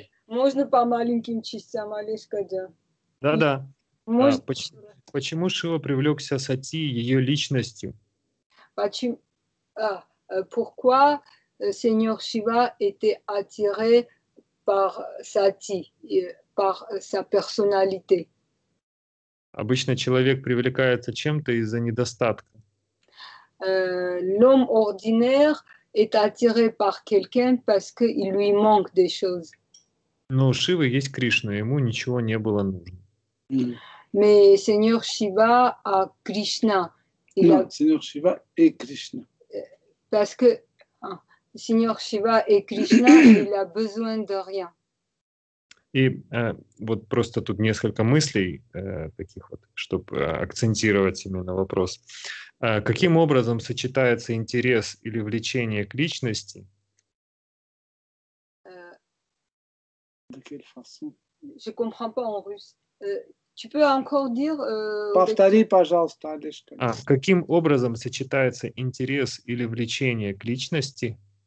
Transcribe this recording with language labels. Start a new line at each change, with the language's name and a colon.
Russian: Можно по маленьким частям, Олежка, да. Да-да. Почему Шива привлекся сати ее личностью?
French: Pourquoi Seigneur Shiva était attiré par Sati, par sa personnalité?
Russian: Обычно человек привлекается чем-то из-за недостатка.
French: L'homme ordinaire est attiré par quelqu'un parce qu'il lui manque des choses.
Russian: Но у Шивы есть Кришна, ему ничего не было нужно.
French: Mais Seigneur Shiva a Krishna. Seigneur Shiva est Krishna. Parce que Seigneur Shiva et Krishna, il a besoin de rien.
Russian: И вот просто тут несколько мыслей таких вот, чтобы акцентировать именно вопрос. Каким образом сочетается интерес или влечение к личности?
French: Je comprends pas en russe. Tu peux encore dire,
Russian: повтори, пожалуйста, Олежка. Каким образом сочетается интерес или влечение к личности?